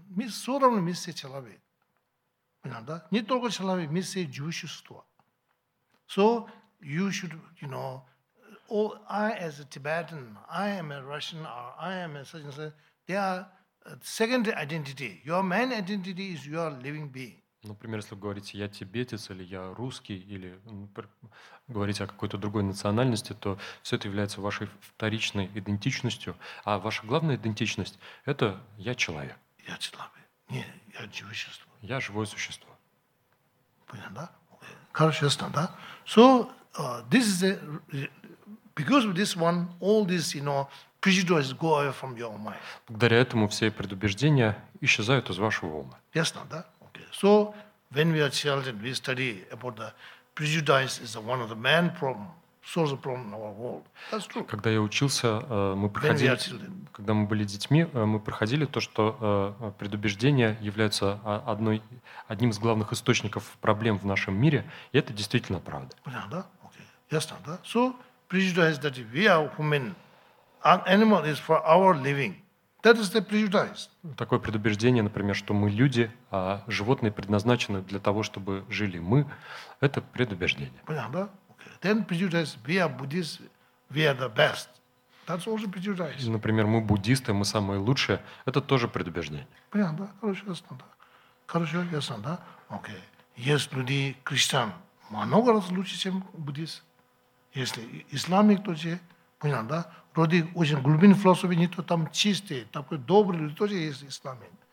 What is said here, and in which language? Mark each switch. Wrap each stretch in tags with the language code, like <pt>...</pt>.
<ru>Мы все равно, мы все человек. Понятно, да? Не только человек, мы все живущие существа.</ru> <en>So, you should, you know, oh, I as a Tibetan, I am a Russian, or I am a such and such. They are second identity. Your main identity is your living being.</en> <ru>Например, если вы говорите, я тибетец, или я русский, или говорите о какой-то другой национальности, то все это является вашей вторичной идентичностью. А ваша главная идентичность – это я человек. Я человек. Нет, я живое существо. Я живое существо. Понятно, да? Короче, ясно, да?</ru> <en>So, this is a... Because of this one, all these, you know, prejudices go away from your mind.</en> <ru>Благодаря этому все предубеждения исчезают из вашего ума. Ясно, да? Okay.</ru> <en>So when we are children, we study about the prejudice is one of the main problem, source of problem in our world. That's true.</en> <ru>Когда я учился, мы проходили, когда мы были детьми, мы проходили то, что предубеждения являются одним из главных источников проблем в нашем мире, и это действительно правда. Понятно, да? Okay. Ясно, да?</ru> <en>So prejudice that we are human, an animal is for our living. That is the prejudice.</en> <ru>Такое предубеждение, например, что мы люди, а животные предназначены для того, чтобы жили мы, это предубеждение. Понятно, да? Okay.</ru> <en>Then prejudice, we are Buddhists, we are the best. That's also prejudice.</en> <ru>Например, мы буддисты, мы самые лучшие, это тоже предубеждение. Понятно, да? Короче, ясно, да? Короче, ясно, да? Okay. Есть люди, христиан, много раз лучше, чем буддисты. Если исламик, то же, понятно, да? Вроде очень глубинный философии, не то там чистые, такой добрый люди, тоже есть исламик.</ru>